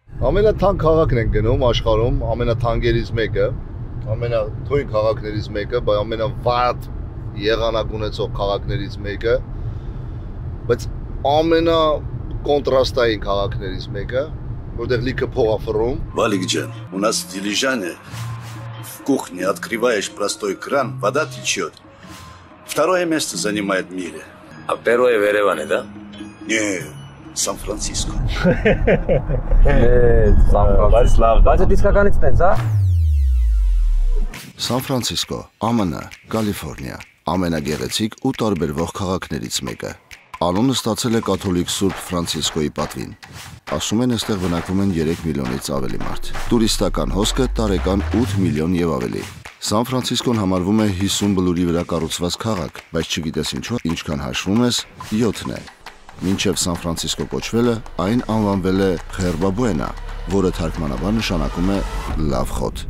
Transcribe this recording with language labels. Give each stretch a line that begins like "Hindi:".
Armenian: Ամենատան քաղաքն ենք գնում աշխարհում, ամենատանգերից մեկը, ամենաթույն քաղաքներից մեկը, բայց ամենավատ եղանակ ունեցող քաղաքներից մեկը, բայց ամենակոնտրաստային քաղաքներից մեկը, որտեղ լիքը փողափռում։
Russian: Վալիկ ջան, у нас дилижане. В кухне открываешь простой кран, вода течёт. Второе место занимает в мире. А первое в Ереване, да? Нет. Սան-Ֆրանցիսկո։
Armenian: Էհ, Սան-Ֆրանցիսկո։ Բայց դա իսկականից տենց, հա։ Սան-Ֆրանցիսկո, ԱՄՆ, Կալիֆոռնիա, ամենագեղեցիկ ու տարբերվող քաղաքներից մեկը։ Անունը ստացել է կաթոլիկ Սուրբ Ֆրանցիսկոյի պատվին։ Ասում են, այստեղ բնակվում են 3 միլիոնից ավելի մարդ։ Տուրիստական հոսքը տարեկան 8 միլիոն եւ ավելի։ Սան-Ֆրանցիսկոն համարվում է 50 բլուրի վրա կառուցված քաղաք, բայց չգիտես ինչու, ինչքան հաշվում ես, 7-ն է։ Մինչև Սան-Ֆրանցիսկո կոչվելը, այն անվանվել է Խերբաբուենա, որը թարգմանաբար նշանակում է լավ խոտ։